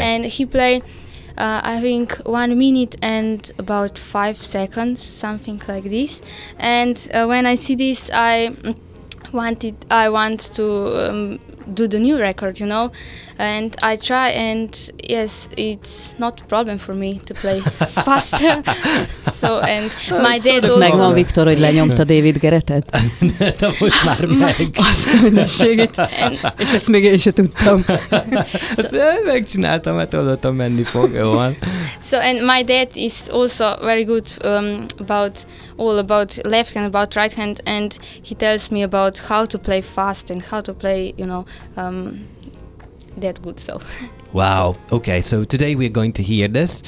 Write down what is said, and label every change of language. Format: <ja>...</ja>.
<en>And he played I think 1 minute and about 5 seconds, something like this. And when I see this, I want to do the new record, you know. And I try, and yes, it's not problem for me to play faster. So and my dad also.</en> <hu>Ez megvan, Viktor, hogy lenyomta David Gerettet. De most már meg. Azt a mindenségét. És ezt még én sem tudtam. So, megcsináltam, mert tudottam menni fog.</hu> <en>So and my dad is also very good about all about left hand, about right hand, and he tells me about how to play fast and how to play, you know, that good. So. Wow. Okay. So today we're going to hear this.</en>